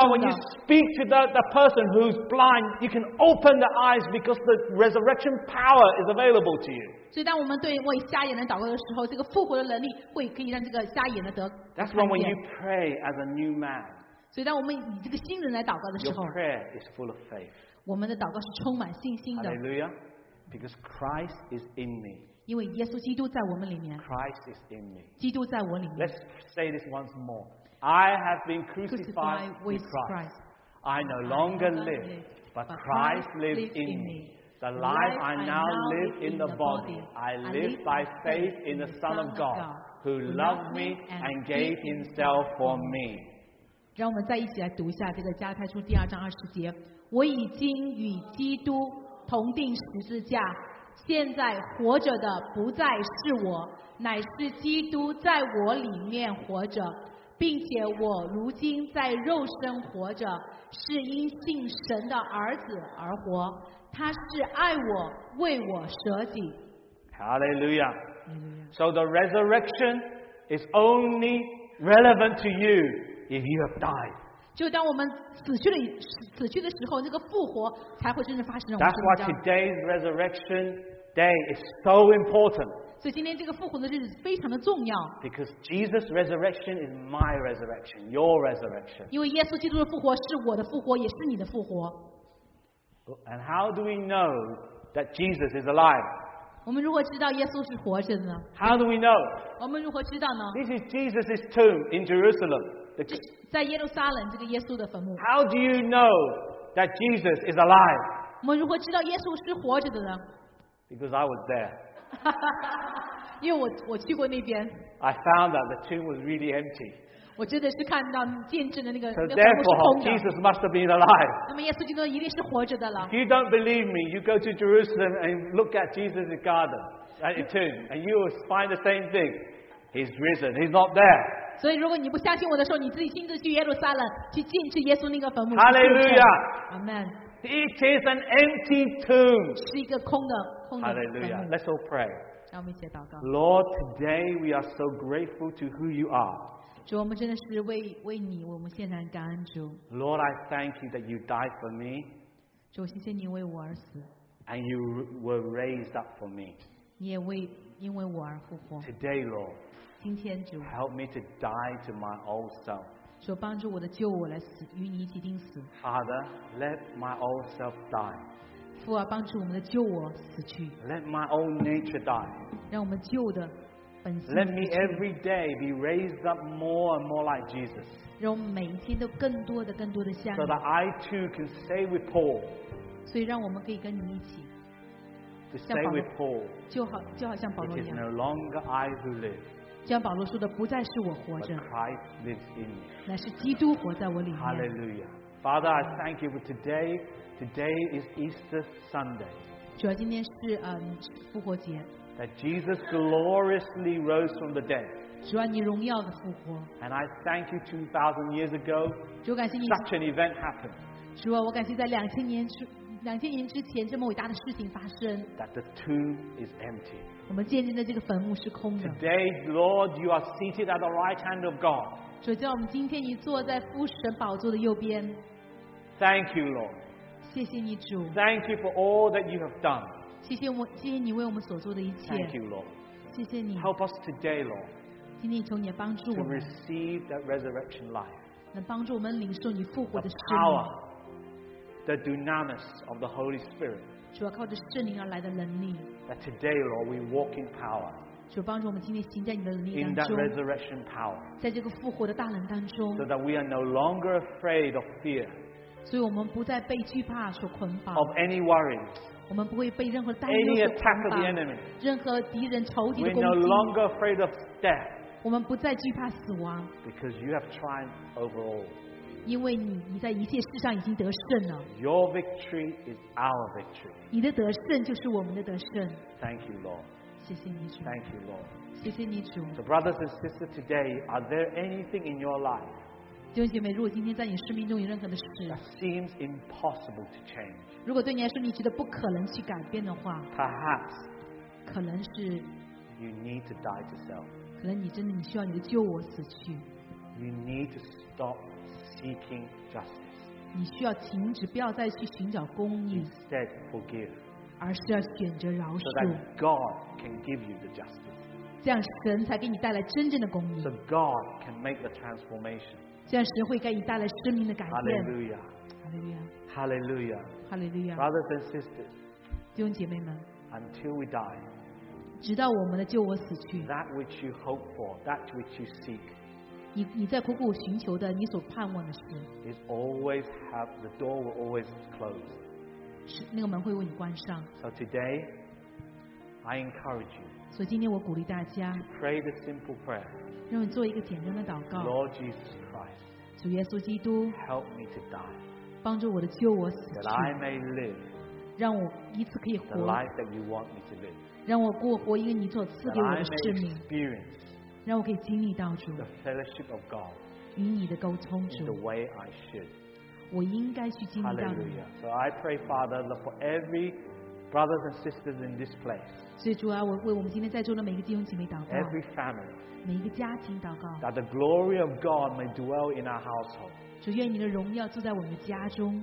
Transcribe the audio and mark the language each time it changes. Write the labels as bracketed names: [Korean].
[English] That's why when you speak to the person who's blind, you can open the eyes because the resurrection power is available to you. [Chinese] 所以当我们对为瞎眼的祷告的时候，这个复活的能力会可以让这个瞎眼的得看见。 [English] That's why when you pray as a new man. [Chinese] 所以当我们以这个新人来祷告的时候 [English] ，Your prayer is full of faith. [Chinese] 我们的祷告是充满信心的。 [English] Hallelujah, because Christ is in me. [Chinese] 因为耶稣基督在我们里面 [English] Christ is in me. [Chinese] 基督在我里面 [English] Let's say this once more. I have been crucified with Christ. I no longer live, but Christ lives in me. The life I now live in the body, I live by faith in the Son of God, who loved me and gave himself for me. [Chinese] 让我们再一起来读一下这个加拉太书第二章二十节。我已经与基督同钉十字架，现在活着的不再是我，乃是基督在我里面活着，并且我如今在肉身活着，是因信神的儿子而活，他是爱我，为我舍己。 [English] Hallelujah. So the resurrection is only relevant to you if you have died. [Chinese] 就当我们死去的时候，那个复活才会真正发生。 [English] That's why today's resurrection day is so important. [Chinese] 所以今天这个复活的日子非常的重要。 [English] Because Jesus' resurrection is my resurrection, your resurrection. [Chinese] 因为耶稣基督的复活是我的复活，也是你的复活。 [English] And how do we know that Jesus is alive? [Chinese] 我们如何知道耶稣是活着的呢？ [English] How do we know? [Chinese] 我们如何知道呢？ [English] This is Jesus' tomb in Jerusalem. [Chinese] 在耶路撒冷，这个耶稣的坟墓。 [English] How do you know that Jesus is alive? [Chinese] 我们如何知道耶稣是活着的呢？ [English] Because I was there. [Chinese] 因为我去过那边。 [English] I found that the tomb was really empty. [Chinese] 我真的是看到见证的那个。 [English] So therefore, Jesus must have been alive. [Chinese] 那么耶稣基督一定是活着的了。 [English] If you don't believe me, you go to Jerusalem and look at Jesus' garden, at the tomb, and you will find the same thing. He's risen. He's not there. [Chinese] 所以如果你不相信我的时候，你自己亲自去耶路撒冷去见证耶稣那个坟墓。 [English] Hallelujah. Amen. It is an empty tomb. [Chinese] 是一个空的。 [English] Hallelujah. Let's all pray. [Chinese] 让我们一起祷告。 [English] Lord, today we are so grateful to who you are. [Chinese] 主，我们真的是为你，我们献上感恩，主。 [English] Lord, I thank you that you died for me. [Chinese] 主，谢谢你为我而死。 [English] And you were raised up for me. [Chinese] 你也因为我而复活。 [English] Today, Lord. [Chinese] 今天，主。 [English] Help me to die to my old self. [Chinese] 主，帮助我的旧我来死，与你一起钉死。 [English] Father, let my old self die. [Chinese] 父啊，帮助我们的旧我死去。 [English] Let my old nature die. [Chinese] 让我们旧的。 [English] Let me every day be raised up more and more like Jesus. [Chinese] 让我们每一天都更多的像你。 [English] So that I too can stay with Paul. [Chinese] 所以让我们可以跟你一起。 [English] To stay with Paul. [Chinese] 就好像保罗一样。 [English] It is no longer I who live. [Chinese] 像保罗说的，不再是我活着。 [English] But Christ lives in me. [Chinese] 乃是基督活在我里面。 [English] Hallelujah. Father, I thank you for today. Today is Easter Sunday. [Chinese] 主要今天是复活节。 [English] That Jesus gloriously rose from the dead. [Chinese] 主啊，你荣耀的复活。 [English] And I thank you 2,000 years ago. [Chinese] 主，感谢你。 [English] Such an event happened. [Chinese] 主啊，我感谢在两千年之前这么伟大的事情发生。 [English] That the tomb is empty. [Chinese] 我们见证的这个坟墓是空的。 [English] Today, Lord, you are seated at the right hand of God. [Chinese] 主，叫我们今天你坐在父神宝座的右边。 [English] Thank you, Lord. [Chinese] 谢谢你，主。 [English] Thank you for all that you have done. [Chinese] 谢谢你为我们所做的一切。 [English] Thank you, Lord. [Chinese] 谢谢你。 [English] Help us today, Lord. [Chinese] 请你求你帮助我们。 [English] To receive that resurrection life. [Chinese] 能帮助我们领受你复活的生命。 [English] The power, the dynamis of the Holy Spirit. [Chinese] 主要靠着圣灵而来的能力。 [English] That today, Lord, we walk in power. [Chinese] 主帮助我们今天行在你的能力当中。 [English] In that resurrection power. [Chinese] 在这个复活的大能当中。 [English] So that we are no longer afraid of fear. [Chinese] 所以我们不再被惧怕所捆绑。 [English] Of any worries. [Chinese] 我们不会被任何担忧所捆绑，任何敌人仇敌的攻击。 [English] We're no longer afraid of death. [Chinese] 我们不再惧怕死亡。 [English] Because you have triumphed over all. [Chinese] 因为你在一切事上已经得胜了。 [English] Your victory is our victory. [Chinese] 你的得胜就是我们的得胜。 [English] Thank you, Lord. [Chinese] 谢谢你主。 [English] Thank you, Lord. [Chinese] 谢谢你主。 [English] So brothers and sisters, today, are there anything in your life? [Chinese] 弟兄姐妹，如果今天在你生命中有任何的事 [English] ，that seems impossible to change. [Chinese] 如果对你来说你觉得不可能去改变的话 [English] ，perhaps [Chinese] 可能是 [English] ，you need to die to self. [Chinese] 可能你需要你的旧我死去。 [English] You need to stop seeking justice. [Chinese] 你需要停止，不要再去寻找公义。 [English] Instead, forgive. [Chinese] 而是要选择饶恕。 [English] So that God can give you the justice. [Chinese] 这样神才给你带来真正的公义。 [English] So God can make the transformation. [Chinese] 这样神会给你带来生命的改变。 [English] Hallelujah. Hallelujah. Hallelujah. Hallelujah. Brothers and sisters, [Chinese] 弟兄姐妹们 [English] until we die, [Chinese] 直到我们的救我死去 [English] that which you hope for, that which you seek, [Chinese] 你在苦苦寻求的，你所盼望的事 [English] is always have, the door will always close. [Chinese] 那个门会为你关上。 [English] So today I encourage you. [Chinese] 所以今天我鼓励大家。 [English] To pray the simple prayer. [Chinese] 让你做一个简单的祷告。 [English] Lord Jesus Christ. [Chinese] 主耶稣基督。 [English] Help me to die. [Chinese] 帮助我的救我死去。 [English] That I may live. [Chinese] 让我一次可以活。 [English] The life that you want me to live. [Chinese] 让我过活一个你所赐给我的生命。 [English] That I may experience. [Chinese] 让我可以经历到主。 [English] The fellowship of God. [Chinese] 与你的沟通主。 [English] In the way I should. [Chinese] 我应该去经历到你。 [English] So I pray, Father, for every brothers and sisters in this place. [Chinese] 所以主啊，我为我们今天在座的每一个弟兄姐妹祷告。 [English] Every family. [Chinese] 每一个家庭祷告。 [English] That the glory of God may dwell in our household. [Chinese] 主，愿你的荣耀住在我们的家中。